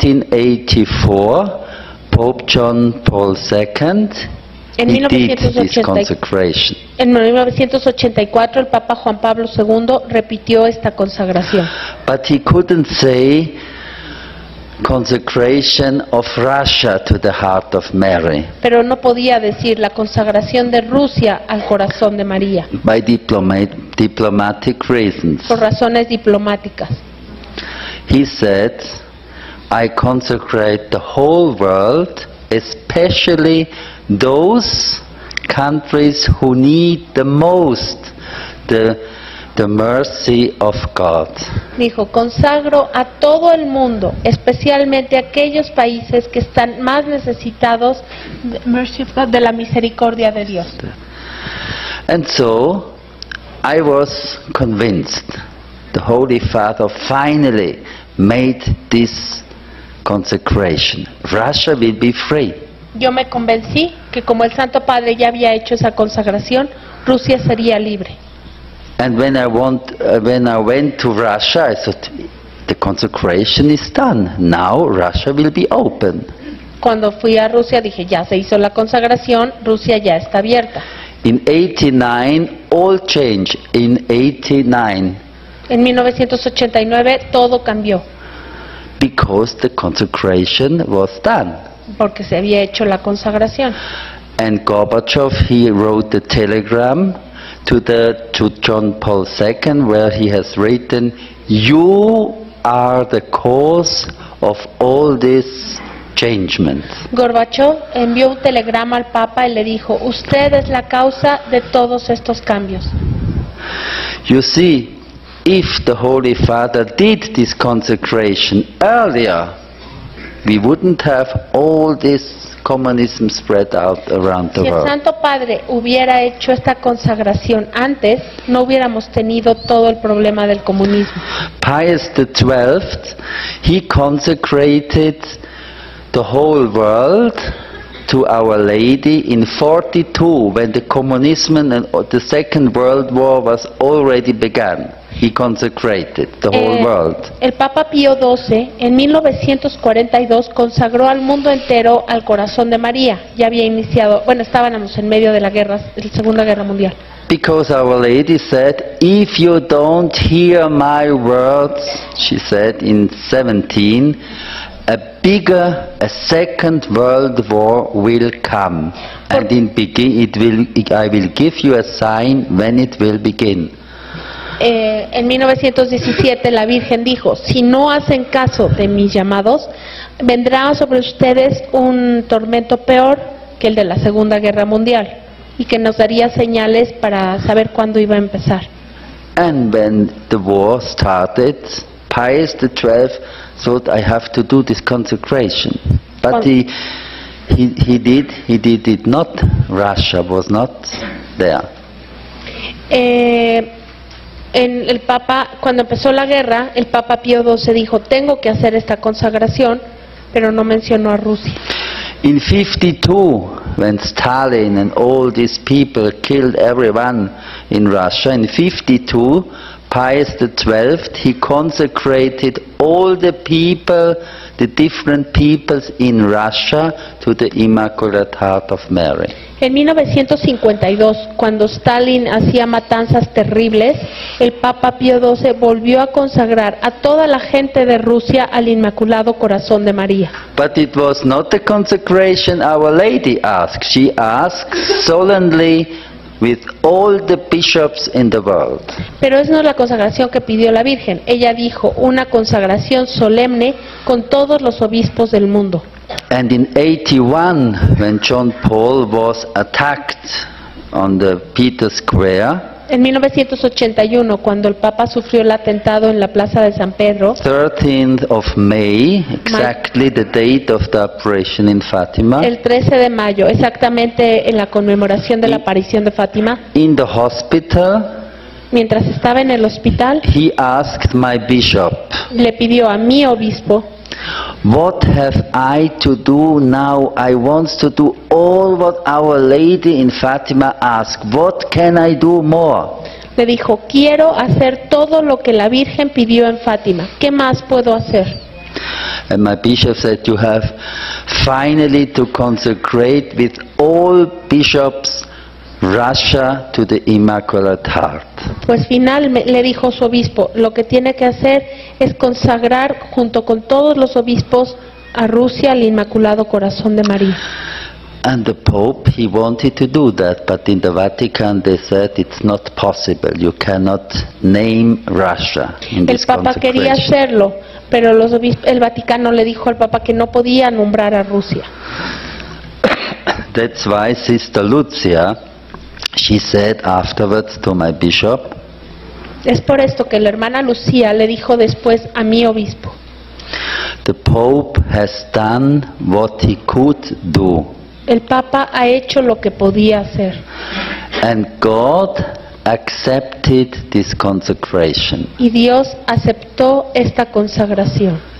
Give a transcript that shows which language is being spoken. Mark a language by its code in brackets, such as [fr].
[en] In 1984, Pope John Paul II did this consecration. [es] En 1984, el Papa Juan Pablo II repitió esta consagración. [en] But he couldn't say consecration of Russia to the heart of Mary. [es] Pero no podía decir la consagración de Rusia al corazón de María. [en] By diplomatic reasons. [es] Por razones diplomáticas. [en] He said, "I consecrate the whole world, especially those countries who need the most the mercy of God." [es] Dijo, "Consagro a todo el mundo, especialmente aquellos países que están más necesitados de la misericordia de Dios." [en] And so I was convinced the Holy Father finally made this consecration. Russia will be free. [es] Yo me convencí que como el Santo Padre ya había hecho esa consagración, Rusia sería libre. [en] And when I went to Russia, I thought the consecration is done. Now Russia will be open. [es] Cuando fui a Rusia dije, ya se hizo la consagración, Rusia ya está abierta. [en] In 89 all changed. In 89. [es] En 1989 todo cambió. [en] Because the consecration was done. [es] Porque se había hecho la consagración. [en] And Gorbachev, he wrote the telegram to John Paul II, where he has written, "You are the cause of all this changement." [es] Gorbachev envió un telegrama al Papa y le dijo, "Usted es la causa de todos estos cambios." [en] You see, if the Holy Father did this consecration earlier, we wouldn't have all this communism spread out around the world. [es] Si el Santo Padre hubiera hecho esta consagración antes, no hubiéramos tenido todo el problema del comunismo. [en] Pius XII, he consecrated the whole world to Our Lady in 42, when the communism and the Second World War was already begun. He consecrated the whole world. [es] El Papa Pío XII, en 1942, consagró al mundo entero al corazón de María. Ya había iniciado, bueno, estábamos en medio de la guerra, de la Segunda Guerra Mundial. [en] Because Our Lady said, "If you don't hear my words," she said in 17, a second world war will come, and in begin it will. I will give you a sign when it will begin." [es] En 1917 la Virgen dijo, si no hacen caso de mis llamados, vendrá sobre ustedes un tormento peor que el de la Segunda Guerra Mundial, y que nos daría señales para saber cuándo iba a empezar. [en] And when the war started, Pius XII thought, "I have to do this consecration," but he did it. Not Russia was not there. [es] En el Papa, cuando empezó la guerra, el Papa Pío XII dijo, "Tengo que hacer esta consagración," pero no mencionó a Rusia. [en] In 52, when Stalin and all these people killed everyone in Russia, in 52, Pius XII, he consecrated all the people, the different peoples in Russia, to the Immaculate Heart of Mary. [es] En 1952, cuando Stalin hacía matanzas terribles, el Papa Pío XII volvió a consagrar a toda la gente de Rusia al Inmaculado Corazón de María. [en] But it was not the consecration Our Lady asked. She asked solemnly with all the bishops in the world. [es] Pero esa no es la consagración que pidió la Virgen. Ella dijo una consagración solemne con todos los obispos del mundo. [en] And in 81, when John Paul was attacked on the Peter Square, [es] en 1981, cuando el Papa sufrió el atentado en la Plaza de San Pedro, [en] 13th of May, exactly the date of the apparition in Fátima, [es] el 13 de mayo, exactamente en la conmemoración de la aparición de Fátima, [en] in the hospital, [es] mientras estaba en el hospital, [en] he asked my bishop, [es] le pidió a mi obispo, [en] "What have I to do now? I want to do all what Our Lady in Fatima asked. What can I do more?" [es] Le dijo, "Quiero hacer todo lo que la Virgen pidió en Fátima. ¿Qué más puedo hacer?" [en] And my bishop said, "You have finally to consecrate with all bishops Russia to the Immaculate Heart." [es] Pues finalmente le dijo su obispo, lo que tiene que hacer es consagrar junto con todos los obispos a Rusia al Inmaculado Corazón de María. [en] And the Pope, he wanted to do that, but in the Vatican they said it's not possible. You cannot name Russia in this consecration. [es] El Papa quería hacerlo, pero los obispos, el Vaticano le dijo al Papa que no podía nombrar a Rusia. [en] That's why Sister Lucia, she said afterwards to my bishop, [es] es por esto que la hermana Lucía le dijo después a mi obispo, [en] "The Pope has done what he could do." [es] El Papa ha hecho lo que podía hacer. [en] "And God accepted this consecration." [es] Y Dios aceptó esta consagración.